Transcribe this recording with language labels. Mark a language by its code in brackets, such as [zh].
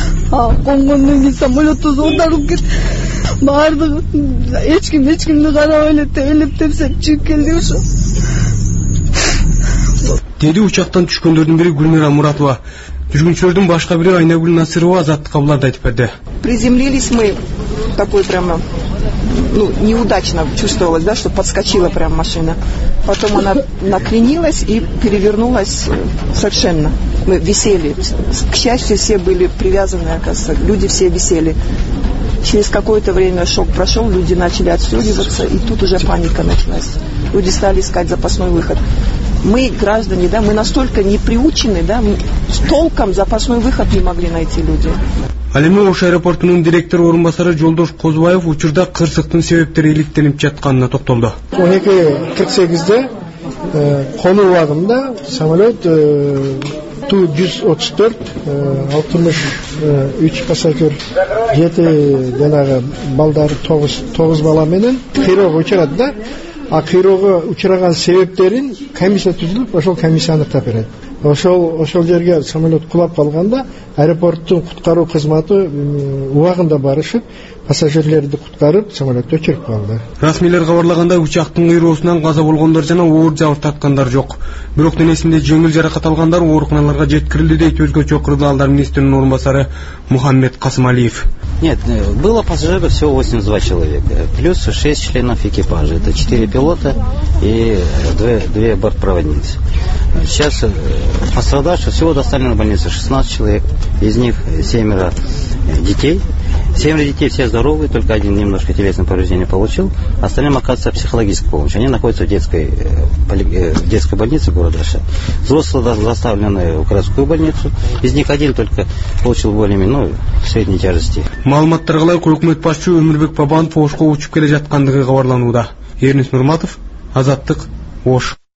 [ky] Конгондон кийин самолетто зондарып кет. Баардыгы эч кимди карабай эле тебелеп тепсеп чыгып келди ошо. Деди учактан түшкөндөрдүн бири Гүлмира Муратова. Жүргүнчүлөрдүн башка бири Айнагүл Насырова Азаттык кабылдарды айтып берди. [ru] Приземлились мы такой прямо. Неудачно чувствовалось, да, что подскочила прям машина. Потом она накренилась и перевернулась совершенно. Мы висели. К счастью, все были привязаны, оказывается. Люди все висели. Через какое-то время шок прошел, люди начали отстегиваться, и тут уже паника началась. Люди стали искать запасной выход. Мы, граждане, да, мы настолько не приучены, да, толком запасной выход не могли найти люди. [ky] Ал эми Ош аэропортунун директору орун басары Жолдош Козубаев учурда кырсыктын себептери иликтенип жатканына токтолду. 12:48 конуу убагында самолет Ту-134 63 пассажир 7 жанагы балдар 9 бала менен кыйроого учурат да. А кыйроого учураган себептерин комиссия түзүлүп ошол комиссия аныктап берет. Ошол жерге самолет кулап калганда аэропорттун куткаруу кызматы убагында барышып пассажирлерди куткарып самолетти өчүрүп калды. Расмийлер кабарлагандай учактын кыйроосунан каза болгондор жана оор жабыртаткандар жок. Бирок денесинде жеңил жаракат алгандар ооруканаларга жеткирилди, дейт өзгөчө кырдаалдар министринин орун басары Мухаммед Касымалиев. [ru] Нет, было пассажиров всего 82 человека, плюс 6 членов экипажа. Это 4 пилота и 2 бортпроводницы. Сейчас пострадавших всего доставлено в больницу 16 человек, из них 7 детей, Семь детей все здоровы, только один немножко телесное повреждение получил. Остальным оказывается психологическая помощь. Они находятся в детской больнице города Аша. Взрослые доставлены в городскую больницу. Из них один только получил более-менее средней тяжести. [ky] Малматтарга өкмөт башчы Өмүрбек Бабанов Ошко учуп келе жаткандыгы кабарланууда. Эрнис Нурматов, Азаттык, Ош.